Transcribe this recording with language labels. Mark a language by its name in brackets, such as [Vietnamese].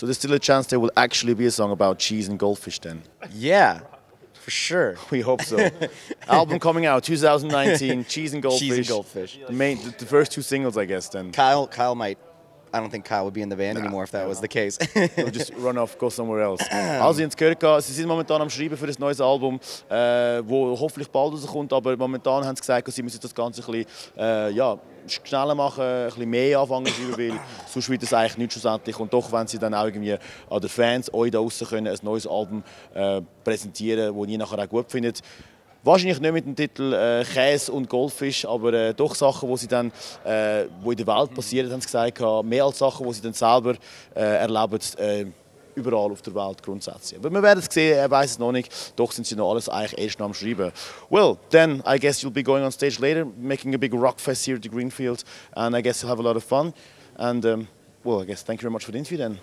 [English] So there's still a chance there will actually be a song about cheese and goldfish then? Yeah, for sure. We hope so. Album coming out, 2019, Cheese and Goldfish. Cheese and Goldfish. The first two singles, I guess, then. Kyle might... I don't think Kyle would be in the band anymore if that was the case. He'll just run off, go somewhere else. [German] Also, Jens Körka, sie sind momentan am Schreiben für das neue Album, wo hoffentlich bald rauskommt, aber momentan haben sie gesagt, sie müssen das Ganze ein bisschen schneller machen, ein bisschen mehr anfangen, weil sonst wird es eigentlich nicht schlussendlich. Und doch, wenn sie dann auch irgendwie an den Fans euch da draußen können, ein neues Album präsentieren, das ihr nachher auch gut findet. Wahrscheinlich nicht mit dem Titel Käse und Goldfisch, aber doch Sachen, die sie dann, wo in der Welt passieren, haben sie gesagt, mehr als Sachen, die sie dann selber erleben, überall auf der Welt grundsätzlich. Aber wir werden es sehen, er weiß es noch nicht, doch sind sie noch alles eigentlich erst noch am Schreiben. [English] Well, then I guess you'll be going on stage later, making a big rockfest here at the Greenfield, and I guess you'll have a lot of fun. And well, I guess thank you very much for the interview then.